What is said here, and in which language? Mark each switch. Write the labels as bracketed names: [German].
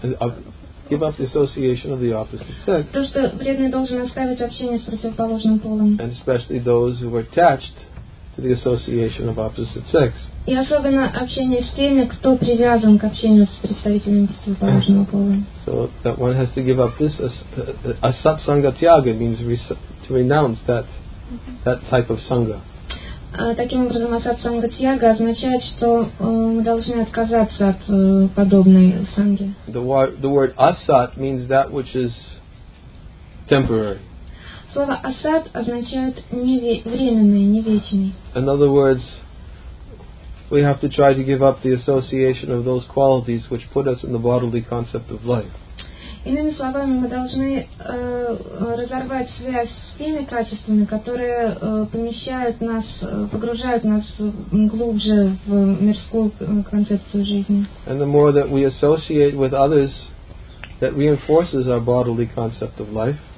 [English] are, give up the association of the opposite sex. [Russian] То, что преданный должен оставить общение с противоположным полом. [English] And especially those who are attached to the association of opposite sex. [Russian] И особенно общение с теми, кто привязан к общению с представителями противоположного пола. [English] So that one has to give up this asat sangha tyaga means to renounce that type of sangha. [Russian] Таким образом, асат санга тьяга означает, что мы должны отказаться от подобной санги. [English] The word asat means that which is temporary. [Russian] Слово асат означает временное, не вечное. [English] In other words, we have to try to give up the association of those qualities which put us in the bodily concept of life. [Russian] Иными словами, мы должны разорвать связь с теми качествами, которые помещают нас, погружают нас глубже в мирскую концепцию жизни. [English] And the more that we associate with others, that reinforces our bodily concept of life.